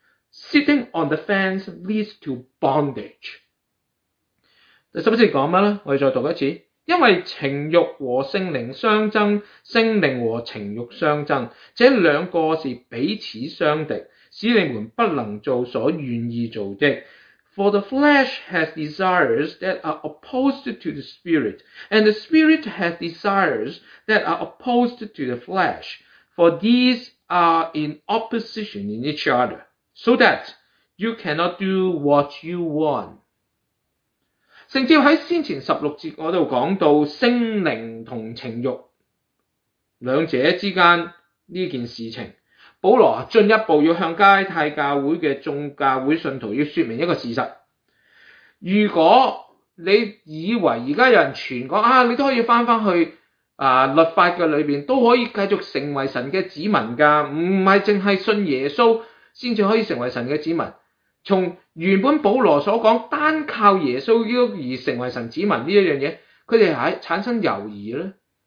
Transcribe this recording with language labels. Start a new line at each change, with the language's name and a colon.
English: Sitting on the fence leads to bondage。
Chinese: 第十一节讲什么呢？我们再读一次。因为情欲和圣灵相争，圣灵和情欲相争，这两个是彼此相敌，使你们不能做所愿意做的。
English: For the flesh has desires that are opposed to the spirit, and the spirit has desires that are opposed to the flesh, for these are in opposition in each other, so that you cannot do what you want.
Chinese: 聖經在先前十六節我都講到聖靈和情慾兩者之間這件事情，保羅進一步要向加拉太教會的眾教會信徒要說明一個事實，如果你以為現在有人傳說啊，你都可以翻返去律法的裏面，都可以繼續成為神的子民的，不是只是信耶穌才可以成為神的子民，從原本保羅所說單靠耶穌而成為神子民這件事，他們是產生猶疑的。